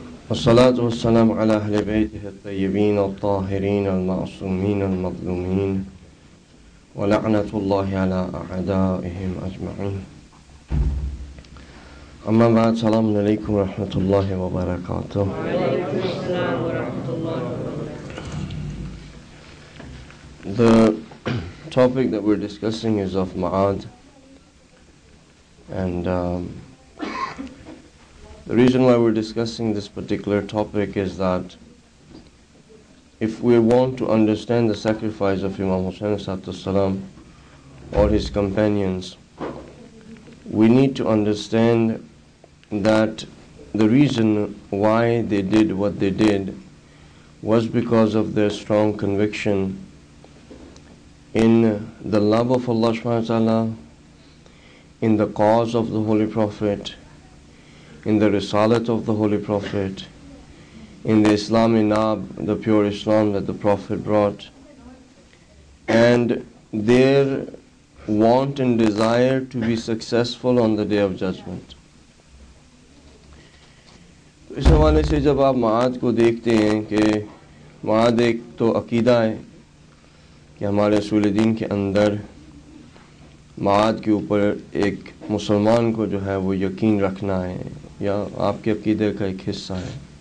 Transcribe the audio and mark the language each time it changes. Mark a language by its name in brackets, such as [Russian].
[Arabic] والصلاة والسلام على أهل بيته الطيبين الطاهرين المعصومين المظلومين ولعنة الله على أعدائهم أجمعين أما بعد السلام عليكم ورحمة الله وبركاته وعليكم السلام ورحمة الله [English] The topic that we're discussing is of Ma'ad. And the reason why we're discussing this particular topic is that if we want to understand the sacrifice of Imam Hussain as-Salam or his companions, we need to understand that the reason why they did what they did was because of their strong conviction in the love of Allah subhanahu wa ta'ala, in the cause of the Holy Prophet, in the Risalat of the Holy Prophet, in the Islam inab, the pure Islam that the Prophet brought, and their want and desire to be successful on the Day of Judgment. [Urdu] اس حوالے سے جب آپ معاد کو دیکھتے ہیں کہ معاد ایک تو عقیدہ ہے کہ ہمارے رسول دین کے اندر معاد کے اوپر ایک مسلمان کو جو ہے وہ یقین رکھنا ہے یا آپ کے عقیدے کا ایک حصہ ہے